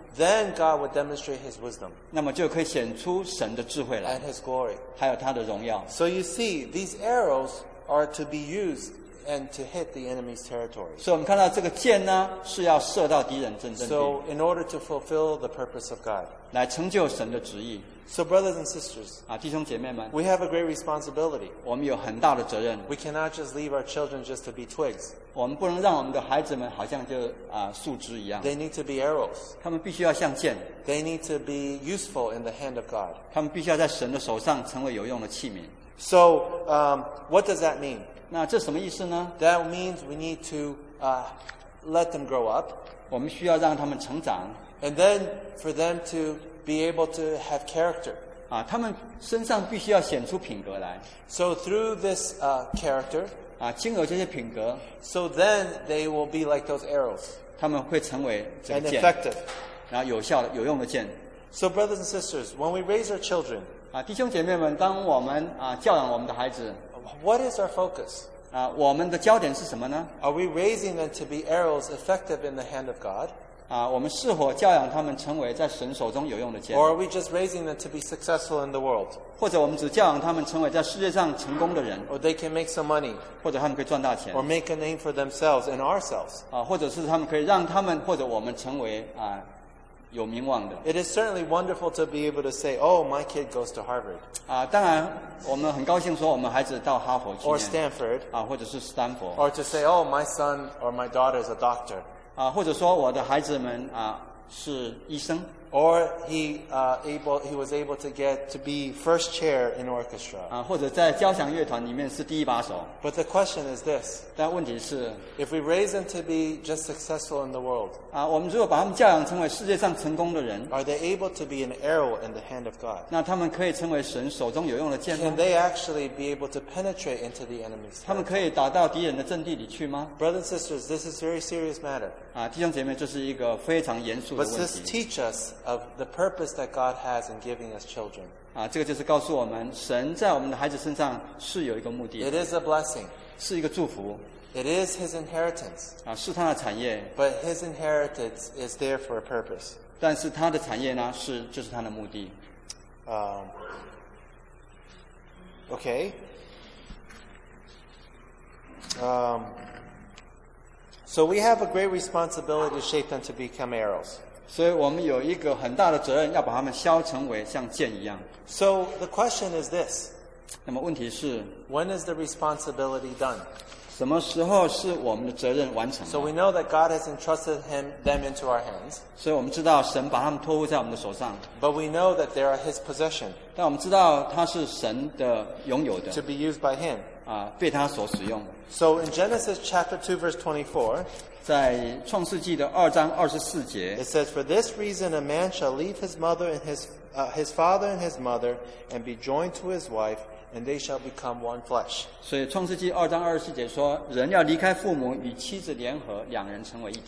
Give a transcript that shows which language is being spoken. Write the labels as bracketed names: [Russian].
[English] Then God would demonstrate His wisdom. [Chinese] 那么就可以显出神的智慧来。 [English] And His glory. [Chinese] 还有他的荣耀。 [English] So you see, these arrows are to be used. And to hit the enemy's territory. So we [Chinese] 看到这个箭呢是要射到敌人阵地。 [English] So in order to fulfill the purpose of God, [Chinese] 来成就神的旨意。 [English] So brothers and sisters, [Chinese] 啊弟兄姐妹们 [English] ，we have a great responsibility. [Chinese] 我们有很大的责任。 [English] We cannot just leave our children just to be twigs. [Chinese] 我们不能让我们的孩子们好像就啊树枝一样。 [English] They need to be arrows. [Chinese] 他们必须要像箭。 [English] They need to be useful in the hand of God. [Chinese] 他们必须要在神的手上成为有用的器皿。 [English] So, what does that mean? [Chinese] 那这什么意思呢 [English] ？That means we need to let them grow up. [Chinese] 我们需要让他们成长。 [English] And then for them to be able to have character. [Chinese] 啊，他们身上必须要显出品格来。 [English] So through this character. [Chinese] 啊，经由这些品格。 [English] So then they will be like those arrows. [Chinese] 他们会成为这个箭。 [English] And effective. [Chinese] 然后有效的、有用的箭。 [English] So brothers and sisters, when we raise our children. [Chinese] 啊，弟兄姐妹们，当我们啊教养我们的孩子。 [English] What is our focus? [Chinese] 啊，我们的焦点是什么呢 [English] ？Are we raising them to be arrows effective in the hand of God? [Chinese] 啊，我们是否教养他们成为在神手中有用的箭 [English] ？Or are we just raising them to be successful in the world? [Chinese] 或者我们只教养他们成为在世界上成功的人 [English] ？Or they can make some money? [Chinese] 或者他们可以赚大钱 [English] ？Or make a name for themselves and ourselves? [Chinese] 啊，或者是他们可以让他们或者我们成为啊有名望的。 [English] It is certainly wonderful to be able to say, "Oh, my kid goes to Harvard." [Chinese] 啊，当然，我们很高兴说我们孩子到哈佛去。 [English] Or Stanford. [Chinese] 啊，或者是 Stanford. [English] Or to say, "Oh, my son or my daughter is a doctor." [Chinese] 啊，或者说我的孩子们啊是医生。 [English] Or he was able to get to be first chair in orchestra. [Chinese] 啊，或者在交响乐团里面是第一把手。 [English] But the question is this. [Chinese] 但问题是 [English] ，If we raise them to be just successful in the world. [Chinese] 啊，我们如果把他们教养成为世界上成功的人 [English] ，Are they able to be an arrow in the hand of God? [Chinese] 那他们可以成为神手中有用的箭吗 [English] ？Can they actually be able to penetrate into the enemy's? [Chinese] 他们可以打到敌人的阵地里去吗 [English] ？Brothers and sisters, this is a very serious matter. [Chinese] 啊，弟兄姐妹，这是一个非常严肃的问题。 [English] But this teaches us. Of the purpose that God has in giving us children. [Chinese] 啊，这个就是告诉我们，神在我们的孩子身上是有一个目的。 [English] It is a blessing. [Chinese] 是一个祝福。 [English] It is His inheritance. [Chinese] 啊，是他的产业。 [English] But His inheritance is there for a purpose. [Chinese] 但是他的产业呢，是就是他的目的。 [English] Okay. So we have a great responsibility to shape them to become arrows. [Chinese] 所以我们有一个很大的责任，要把他们削成为像箭一样。 [English] So the question is this. [Chinese] 那么问题是 [English] ，When is the responsibility done? [Chinese] 什么时候是我们的责任完成 [English] ？So we know that God has entrusted them into our hands. [Chinese] 所以我们知道神把他们托付在我们的手上。 [English] But we know that they are His possession. [Chinese] 但我们知道他是神的拥有的。 [English] To be used by Him. [Chinese] 啊，被他所使用。 [English] So in Genesis chapter 2 verse 24. [Chinese] 在创世纪的二章二十四节 [English] ，It says, "For this reason, a man shall leave his mother and his father and his mother, and be joined to his wife, and they shall become one flesh." [Chinese] 所以创世纪二章二十四节说，人要离开父母，与妻子联合，两人成为一体。